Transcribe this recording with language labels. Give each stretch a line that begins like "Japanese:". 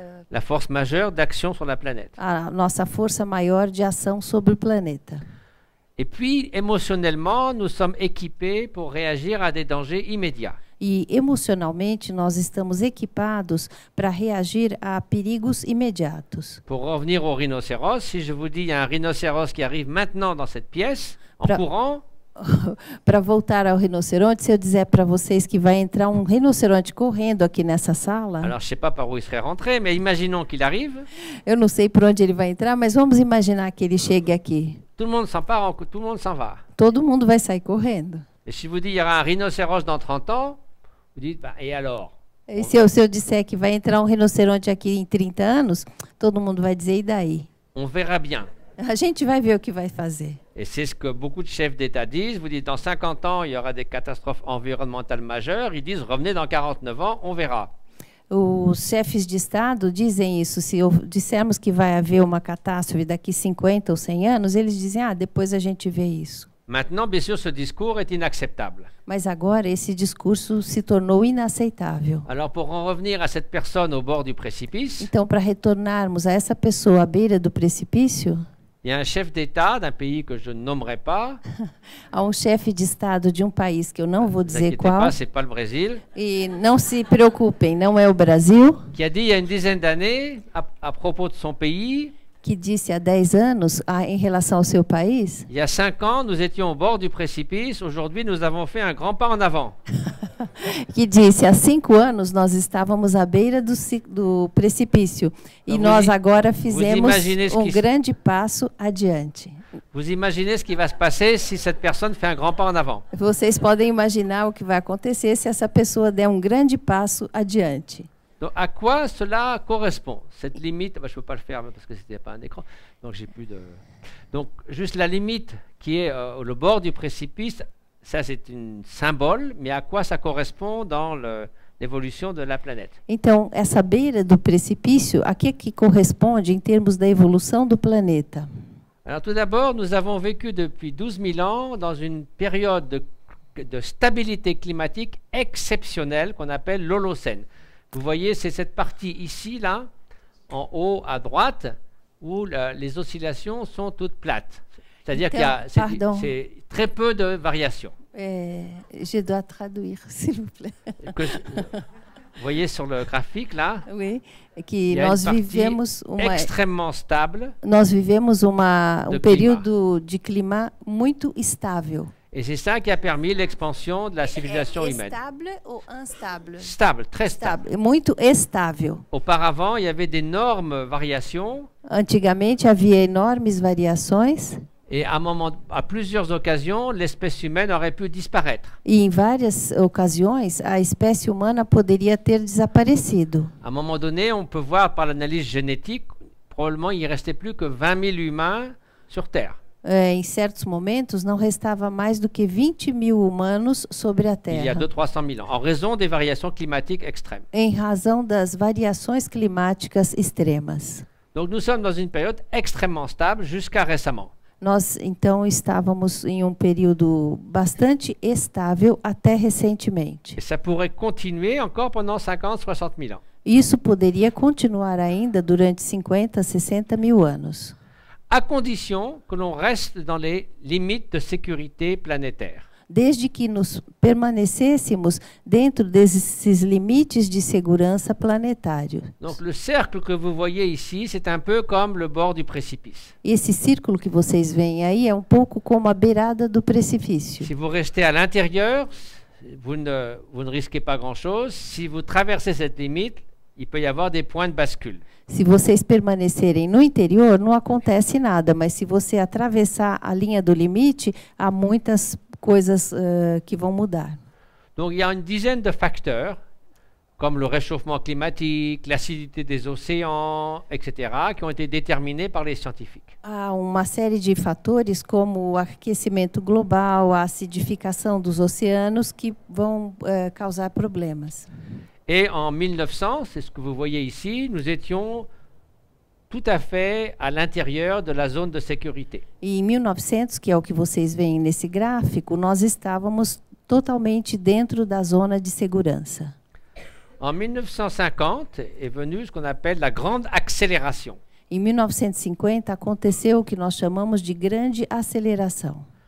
French: la force majeure d'action sur la planète.
Portuguese: A nossa força maior de ação sobre o planeta.
French: Et puis émotionnellement, nous sommes équipés pour réagir à des dangers immédiats.
Portuguese: E emocionalmente nós estamos equipados para reagir a perigos imediatos.
French: Pour revenir au rhinocéros, si je vous dis il y a un rhinocéros qui arrive maintenant dans cette pièce en courant.
Portuguese: Para voltar ao rinoceronte, se eu disser para vocês que vai entrar um rinoceronte correndo aqui nessa sala.
French: Alors, je sais pas par où il serait rentré, mais imaginons qu'il arrive.
Portuguese: Eu não sei por onde ele vai entrar, mas vamos imaginar que ele chegue aqui.
French: Tout le monde s'en part, tout le monde s'en va.
Portuguese: Todo mundo vai sair correndo.
French: Et si vous dites il y aura un rhinocéros dans 30 ans, vous dites bah, et alors?
Portuguese: E se eu disser que vai entrar um rinoceronte aqui em 30 anos, todo mundo vai dizer, e daí?
French: On verra bien.
Portuguese: A gente vai ver o que vai fazer.
French: Et c'est ce que beaucoup de chefs d'État disent. Vous dites, dans 50 ans, il y aura des catastrophes environnementales majeures. Ils disent, revenez dans 49 ans, on verra.
Portuguese: Os chefes de Estado dizem isso. Se dissermos que vai haver uma catástrofe daqui 50 ou 100 anos, eles dizem, ah, depois a gente vê isso.
French: Maintenant, bien sûr, ce discours est inacceptable.
Portuguese: Mas agora esse discurso se tornou inaceitável.
French: Alors, pour en revenir à cette personne au bord du précipice,
Portuguese: então, para retornarmos a essa pessoa à beira do precipício,
French: il y a un chef d'État d'un pays que je nommerai pas.
Portuguese: Há um chefe de Estado de um país que eu não vou dizer qual.
French: Pas, c'est pas le Brésil.
Portuguese: E não se preocupem, não é o Brasil.
French: Qui a dit il y a une dizaine d'années à propos de son pays.
Portuguese: Que disse há 10 anos em relação ao seu país.
French: Il y a 5 ans, nous étions au bord du précipice. Aujourd'hui, nous avons fait un grand pas en avant.
Portuguese: Que disse há 5 anos nós estávamos à beira do precipício e então, nós agora fizemos um grande passo adiante.
French: Vous imaginez ce qui va se passer si cette personne fait un grand pas en avant.
Portuguese: Vocês podem imaginar o que vai acontecer se essa pessoa der um grande passo adiante.
French: Donc à quoi cela correspond cette limite? Bah, je peux pas le faire parce que c'était pas un écran, donc j'ai plus de. Donc juste la limite qui est le bord du précipice, ça c'est un symbole, mais à quoi ça correspond dans l'évolution de la planète?
Portuguese: Então essa beira do precipício, a que corresponde em termos da evolução do planeta?
French: Alors tout d'abord, nous avons vécu depuis 12 000 ans dans une période de stabilité climatique exceptionnelle qu'on appelle l'Holocène. Vous voyez, c'est cette partie ici, là, en haut à droite, où les oscillations sont toutes plates. C'est-à-dire
Portuguese: então,
French: qu'il y a c'est très peu de variations. Je dois traduire, s'il vous plaît. Vous voyez sur le graphique, là, oui, que il y a
Portuguese: nós vivemos uma
French: extrêmement stable.
Portuguese: Nós vivemos um período de clima muito estável.
French: Et c'est ça qui a permis l'expansion de la civilisation humaine. Stable ou instable? Stable, très stable.
Portuguese: Muito estável.
French: Auparavant, il y avait d'énormes variations.
Portuguese: Antigamente, havia enormes variações.
French: Et à plusieurs occasions, l'espèce humaine aurait pu disparaître.
Portuguese: E em várias ocasiões, a espécie humana poderia ter desaparecido.
French: À un moment donné, on peut voir par l'analyse génétique, probablement il ne restait plus que 20 000 humains sur Terre.
Portuguese: Em certos momentos, não restava mais do que 20 mil humanos sobre a Terra.
French: Il y a 200-300 mil ans, en raison des variations climatiques extrêmes.
Portuguese: Em razão das variações climáticas extremas.
French: Donc nous sommes dans une période extrêmement stable jusqu'à récemment.
Portuguese: Nós, então, estávamos em um período bastante estável até recentemente.
French: Et ça pourrait continuer encore pendant 50-60 mil ans.
Portuguese: Isso poderia continuar ainda durante 50-60 mil anos.
French: À condition que l'on reste dans les limites de sécurité planétaire.
Portuguese: Desde que nos permanecêssemos dentro desses limites de segurança planetário.
French: Donc le cercle que vous voyez ici, c'est un peu comme le bord du précipice.
Portuguese: Esse círculo que vocês veem aí é um pouco como a beirada do precipício.
French: Si vous restez à l'intérieur, vous ne risquez pas grand-chose. Si vous traversez cette limite, il peut y avoir des points de bascule.
Portuguese: Se vocês permanecerem no interior, não acontece nada. Mas se você atravessar a linha do limite, há muitas coisas que vão mudar.
French: Donc, il y a une dizaine de facteurs, comme le réchauffement climatique, l'acidité des océans, etc., qui ont été déterminés par les scientifiques.
Portuguese: Há uma série de fatores, como o aquecimento global, a acidificação dos oceanos, que vão causar problemas.
French: Et en 1900, c'est ce que vous voyez ici, nous étions tout à fait à l'intérieur de la zone de sécurité. Et en
Portuguese: 1900, que é o que vocês veem nesse gráfico, nós estávamos totalmente dentro da zona de segurança.
French: En 1950, est venu ce qu'on appelle la grande accélération.
Portuguese: Em 1950 aconteceu o que nós chamamos de grande aceleração.